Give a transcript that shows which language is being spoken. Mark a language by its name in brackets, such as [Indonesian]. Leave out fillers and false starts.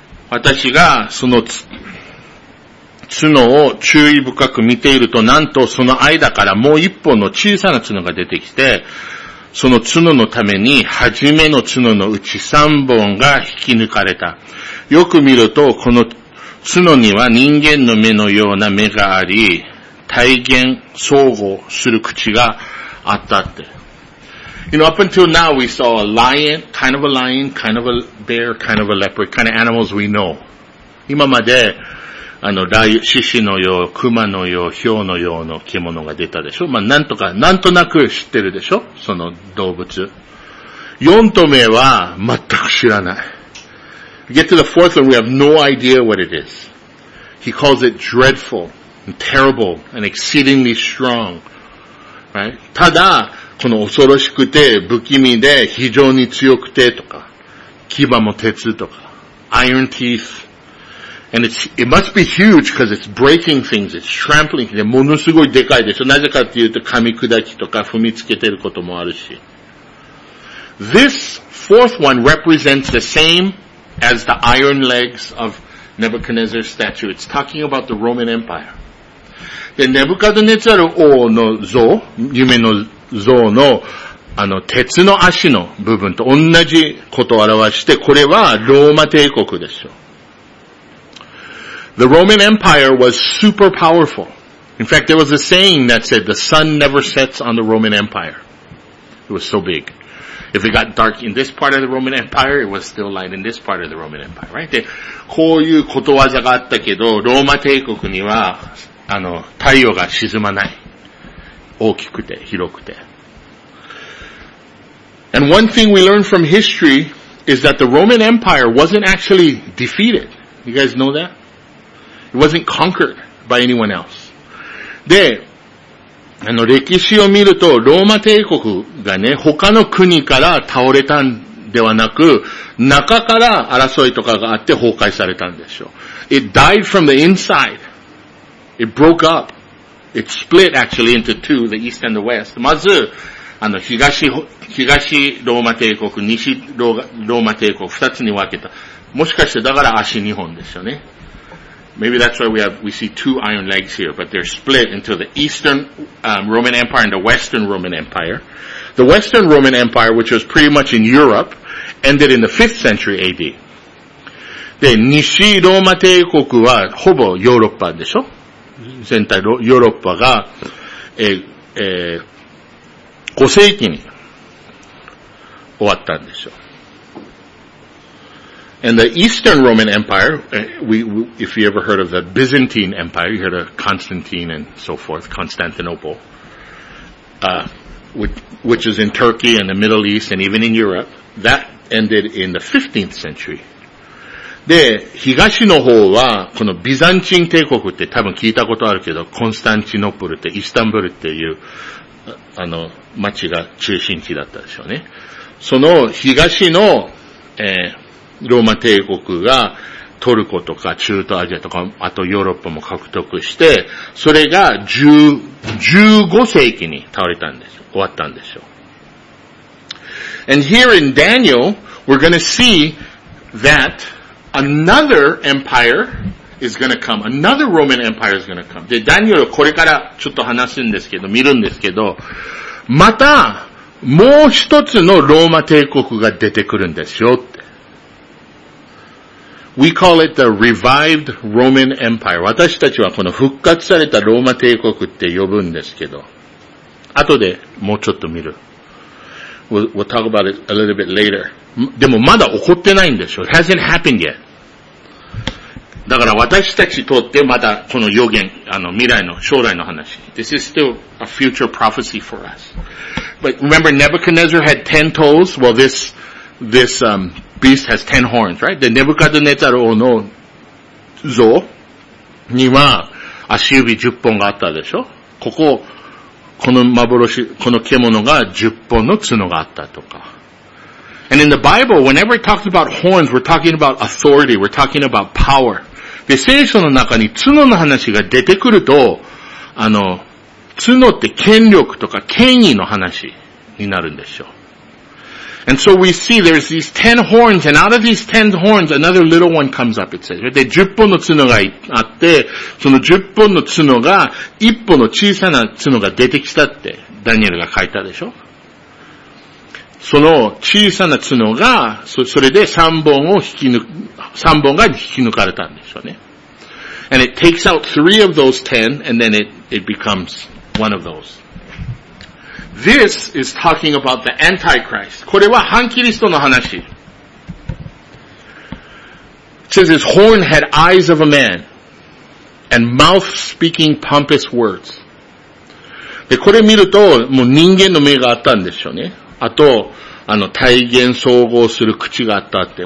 [Japanese] 私がその角を注意深く見ていると、なんとその間からもう一本の小さな角が出てきて、その角のために初めの角のうち三本が引き抜かれた。よく見ると、この角には人間の目のような目があり、体言、相互する口があったって。 [English] You know, up until now, we saw a lion, kind of a lion, kind of a bear, kind of a leopard, kind of animals we know. [Japanese] 今まで、あの、獅子のよう、熊のよう、ヒョウのような獣が出たでしょ。まあ、なんとなく知ってるでしょ、その動物。四と目は全く知らない。 [English] We get to the fourth one, we have no idea what it is. He calls it dreadful, and terrible, and exceedingly strong. Right? [Japanese] ただ、この恐ろしくて、不気味で、非常に強くて、とか、牙も鉄とか、 [English] iron teeth. And it must be huge because it's breaking things, it's trampling things. [Japanese] ものすごいでかいでしょ。なぜかっていうと、噛み砕きとか踏みつけてることもあるし。 [English] This fourth one represents the same as the iron legs of Nebuchadnezzar's statue. It's talking about the Roman Empire. [Japanese] で、ネブカドネツァル王の像、夢の像の、あの、鉄の足の部分と同じことを表して、これはローマ帝国でしょう。 [English] The Roman Empire was super powerful. In fact, there was a saying that said, the sun never sets on the Roman Empire. It was so big. If it got dark in this part of the Roman Empire, it was still light in this part of the Roman Empire, right? [Japanese] で、こういうことわざがあったけど、ローマ帝国には、あの、太陽が沈まない。大きくて、広くて。 [English] And one thing we learn from history is that the Roman Empire wasn't actually defeated. You guys know that? It wasn't conquered by anyone else. [Japanese] で、あの歴史を見ると、ローマ帝国がね、他の国から倒れたんではなく、中から争いとかがあって崩壊されたんでしょう。 [English] It died from the inside. It broke up. It split actually into two, the east and the west. [Japanese] まず、あの、東ローマ帝国、西ローマ帝国、二つに分けた。もしかして、だから足二本ですよね。 [English] Maybe that's why we see two iron legs here, but they're split into the Eastern Roman Empire and the Western Roman Empire. The Western Roman Empire, which was pretty much in Europe, ended in the 5th century AD. [Japanese] で、西ローマ帝国はほぼヨーロッパでしょ？全体ヨーロッパが、5世紀に終わったんですよ。 [English] And the Eastern Roman Empire, if you ever heard of the Byzantine Empire, you heard of Constantine and so forth, Constantinople, which is in Turkey and the Middle East and even in Europe, that ended in the 15th century. [Japanese] で、東の方は、このビザンチン帝国って多分聞いたことあるけど、コンスタンチノプルって、イスタンブルっていう、町が中心地だったでしょうね。その東の、ローマ帝国がトルコとか中東アジアとかあとヨーロッパも獲得して、それが15世紀に倒れたんです。終わったんですよ。 [English] And here in Daniel, we're going to see that another empire is going to come. Another Roman Empire is going to come. [Japanese] で、ダニエルこれからちょっと話すんですけど、見るんですけど、またもう一つのローマ帝国が出てくるんですよ。 [English] We call it the revived Roman Empire. [Japanese] 私たちはこの復活されたローマ帝国って呼ぶんですけど、後でもうちょっと見る。 [English] We'll talk about it a little bit later. [Japanese] でもまだ起こってないんですよ。 [English] It hasn't happened yet. [Japanese] だから私たちとってまだこの予言、未来の、将来の話。 [English] This is still a future prophecy for us. But remember, Nebuchadnezzar had 10 toes? Well, this beast has 10 horns, right? [Japanese] The Nebuchadnezzar の像には足指10本があったでしょ？ここ、この幻、この獣が10本の角があったとか。 [English] And in the Bible, whenever it talks about horns, we're talking about authority, we're talking about power. [Japanese] で、聖書の中に角の話が出てくると、角って権力とか権威の話になるんでしょ？ [English] And so we see there's these 10 horns, and out of these 10 horns, another little one comes up, it says. [Japanese] で、10本の角があって、その10本の角が、1本の小さな角が出てきたって、ダニエルが書いたでしょ？その小さな角が、それで3本が引き抜かれたんでしょうね。 [English] And it takes out 3 of those 10, and then it becomes one of those. This is talking about the Antichrist. [Japanese] これは反キリストの話。 [English] It says his horn had eyes of a man and mouth speaking pompous words. [Japanese] で、これ見るともう人間の目があったんですよね。あと、大言総合する口があったって。